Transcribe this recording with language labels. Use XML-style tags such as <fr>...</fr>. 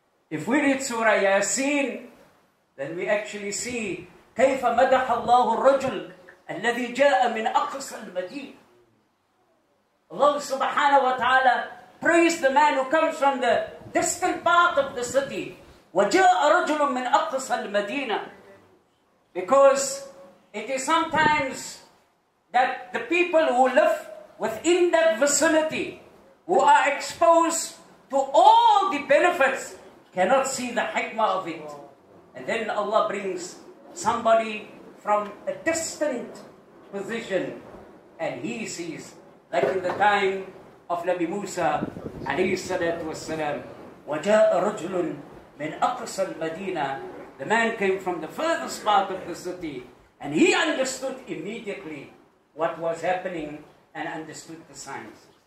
<en>If we read Surah Yasin, then we actually see</en> <ar>كيف مدح الله الرجل الذي جاء من أقصى المدينة.</ar> <en>Allah subhanahu wa ta'ala praised the man who comes from the distant part of the city.</en> <ar>وجاء رجل من أقصى المدينة.</ar> <en>Because it is sometimes that the people who live within that vicinity, who are exposed to all the benefits, cannot see the hikmah of it. And then Allah brings somebody from a distant position, and he sees, like in the time of Nabi Musa alayhi salatu wasalam,</en> <ar>وَجَاءَ رَجُلٌ مِنْ أَقْصَى الْمَدِينَةِ.</ar> <en>The man came from the furthest part of the city, and he understood immediately what was happening and understood the signs.</en>